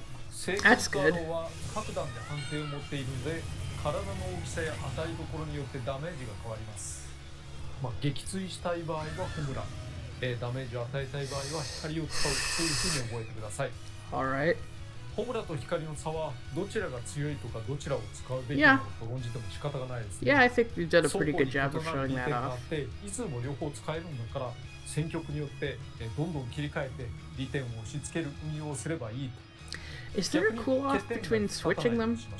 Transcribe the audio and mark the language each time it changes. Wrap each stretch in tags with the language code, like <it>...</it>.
<ja>セイクリッドアローは各弾で判定を持っているので、体の大きさや当たりどころによってダメージが変わります。まあ撃墜したい場合はホムラ、ダメージを与えたい場合は光を使うというふうに覚えてください。</ja> <en>Alright.</en> <ja>ホムラと光の差はどちらが強いとかどちらを使うべきかと論じても仕方がないですね。</ja> <en>Yeah, I think you did a pretty good job of showing that off.</en> <ja>いつも両方使えるんだから選曲によってどんどん切り替えて利点を押し付ける運用をすればいい。</ja> <en>Is there a cool off between switching them?</en>